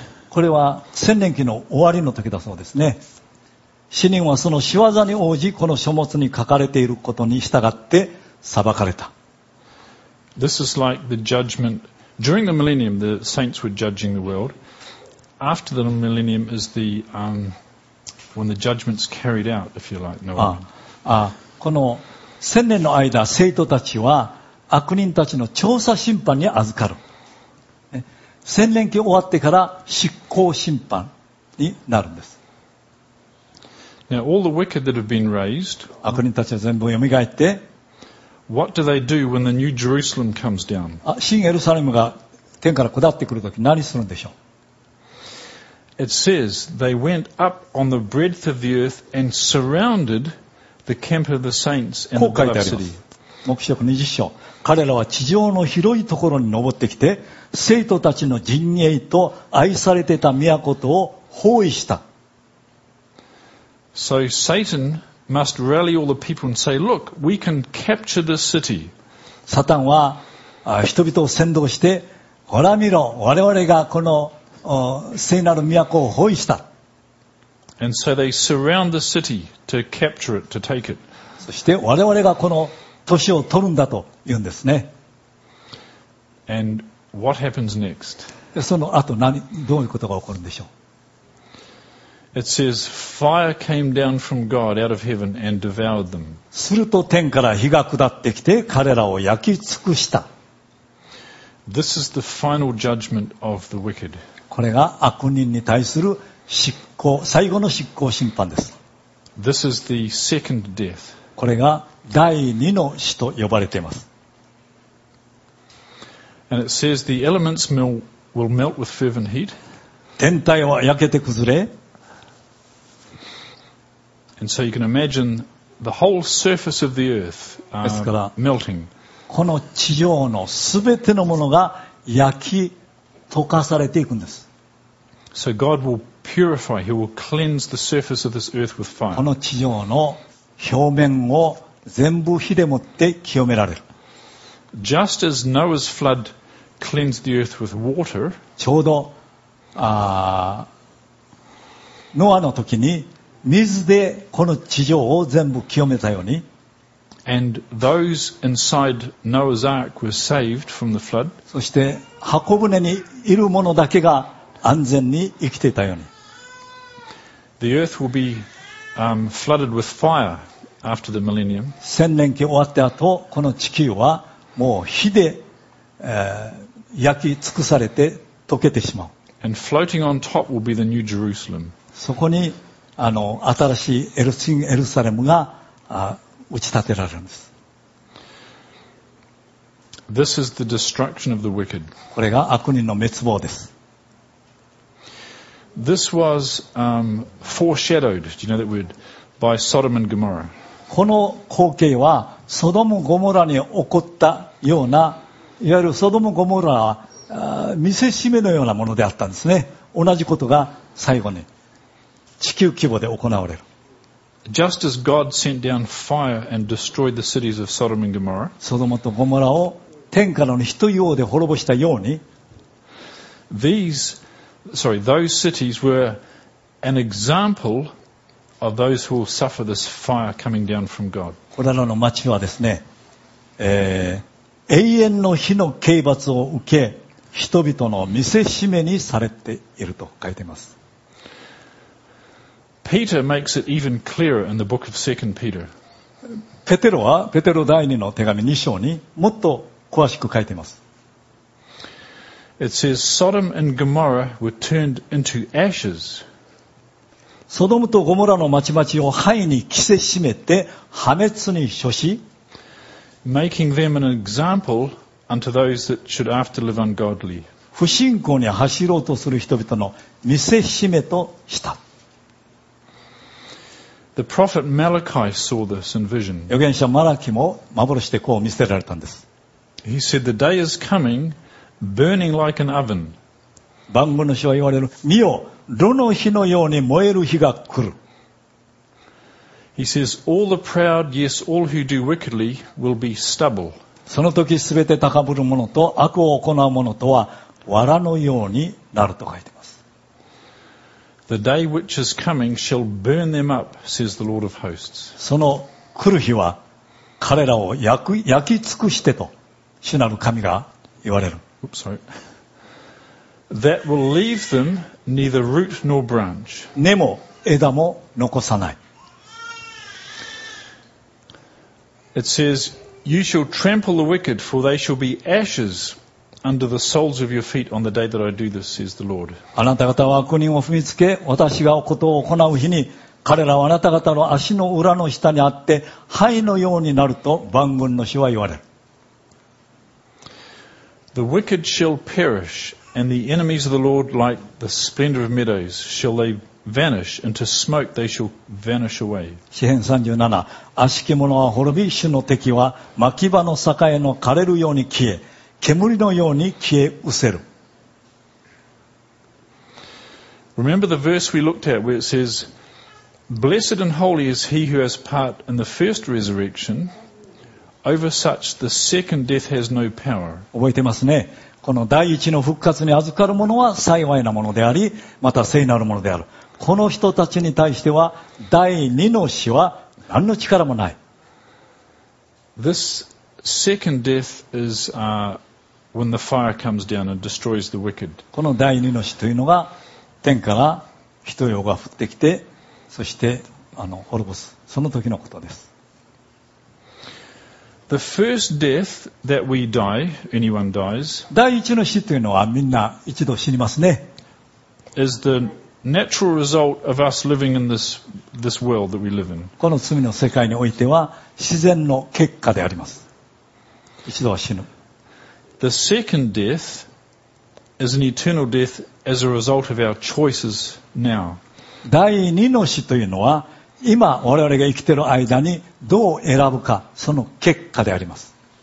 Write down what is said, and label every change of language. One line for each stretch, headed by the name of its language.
Japanese: これは千年期の終わりの時だそうですね。死人はその仕業に応じ、この書物に書かれていることに従って裁かれた。
English: This is like the judgment. During the millennium, the saints were judging the world. After the millennium is the, when the judgment's carried out, if you like.
Japanese: この千年の間、聖徒たちは悪人たちの調査審判に預かる。千年期終わってから執行審判になるんです。
English: Now, all the wicked that have been raised,
Japanese: 悪人たちは全部蘇って
English: What do they do when the New Jerusalem comes down?
Japanese: 新エルサレムが天から下ってくるとき何するんでしょう
English: It says they went up on the breadth of the earth and surrounded the camp of the saints and the
Japanese: city. こう書いてあります。黙示録20章。彼らは地上の広いところに登ってきて、聖徒たちの陣営と愛されてた都を包囲した。
English: So Satan must rally all the people and say, "Look, we can capture this city."
Japanese: サタンは人々を煽動して、ほら見ろ、我々がこの聖なる都を包囲した。
English: And so they surround the city to capture it, to take it.
Japanese: そして我々がこの都市を取るんだと言うんですね。
English: And what happens next?
Japanese: その後何、どういうことが起こるんでしょう。
English: It says, fire came down from God out of heaven and devoured them.
Japanese: すると天から火が下ってきて彼らを焼き尽くした。
English: This is the final judgment of the wicked.
Japanese: これが悪人に対する執行、最後の執行審判です。
English: This is the second death.
Japanese: これが第二の死と呼ばれています。
English: And it says the elements will melt with fervent heat.
Japanese: 天体は焼けて崩れ、
English: And so you can imagine the whole surface of the earth melting.
Japanese: この地上のすべてのものが焼き溶かされていくんです。
English: So God will purify, He will cleanse the surface of this earth with fire.
Japanese: この地上の表面を全部火でもって清められる。
English: Just as Noah's flood cleansed the earth with water.
Japanese: ちょうど、ノアの時に水でこの地上を全部清めたように
English: And those inside Noah's ark were saved from the flood.
Japanese: そして箱舟にいる者だけが安全に生きていたように
English: The earth will be flooded with fire after the millennium.
Japanese: 千年期終わった後この地球はもう火で、焼き尽くされて溶けてしまう
English: And floating on top will be the New Jerusalem.
Japanese: そこに新しいエルシンエルサレムが打ち立てられるんです。
English: This is the destruction of the wicked.
Japanese: これが悪人の滅亡です。
English: This was foreshadowed, do you know that word, by Sodom and Gomorrah.
Japanese: この光景はソドム・ゴモラに起こったような、いわゆるソドム・ゴモラは見せしめのようなものであったんですね。同じことが最後に。地球規模で行われる。
English: Just as God sent down fire and destroyed the cities of Sodom and Gomorrah,
Japanese: ソドモとゴモラを天からの火と硫黄で滅ぼしたように、
English: those cities were an example of those who will suffer this fire coming down from God.
Japanese: これらの町はですね、永遠の火の刑罰を受け、人々の見せしめにされていると書いています。
English: Peter makes it even clearer in the book of 2 Peter.
Japanese: ペテロはペテロ第2の手紙2章にもっと詳しく書いています。
English: It says Sodom and Gomorrah were turned into ashes.
Japanese: ソドムとゴモラの町々を灰に着せしめて破滅に処し、
English: making them an example unto those that should after live ungodly.
Japanese: 不信仰に走ろうとする人々の見せしめとした。
English: The prophet Malachi saw this in vision.
Japanese: 預言者マラキも幻でこう見せられたんです。
English: He said, "The day is coming, burning like an oven."
Japanese: 万軍の主は言われる。見よ、炉の火のように燃える日が来る。
English: He says, "All the proud, yes, all who do wickedly, will be stubble."
Japanese: その時すべて高ぶる者と悪を行う者とは藁のようになると書いてます。
English: The day which is coming shall burn them up, says the Lord of hosts.
Japanese: その来る日は彼らを焼き尽くしてと主なる神が言われる。
English: Oops, sorry. That will leave them neither root nor branch.
Japanese: 根も枝も残さない。
English: It says, "You shall trample the wicked, for they shall be ashes." Under the soles of your feet on the day that I do this, says the Lord.
Japanese: あなた方は悪人を踏みつけ、私がことを行う日に彼らはあなた方の足の裏の下にあって灰のようになると万軍の主は言われる。
English: The wicked shall perish, and the enemies of the Lord like the splendor of meadows shall they vanish, into smoke they shall vanish away.
Japanese: 詩編37、悪しき者は滅び、主の敵は牧場の栄の枯れるように消え、煙のように消え失せる。
English: Remember the verse we looked at where it says, Blessed and holy is he who has part in the first resurrection, over such the second death has no power.
Japanese: 覚えてますね。この第一の復活に預かる者は幸いなものであり、また聖なるものである。この人たちに対しては、第二の死は何の力もない。
English: This second death is, when the fire comes down and destroys the wicked.
Japanese: この第二の死というのが、天から火と硫が降ってきて、そして滅ぼす、その時のことです。
English: The first death that we die, anyone dies.
Japanese: 第一の死というのはみんな一度死にますね。
English: Is the natural result of us living in this world that we live in.
Japanese: この罪の世界においては自然の結果であります。一度は死ぬ。
English: The second death is an eternal death as a result of our choices now.
Japanese: 第二の死というのは今我々が生きている間にどう選ぶか、その結果であります。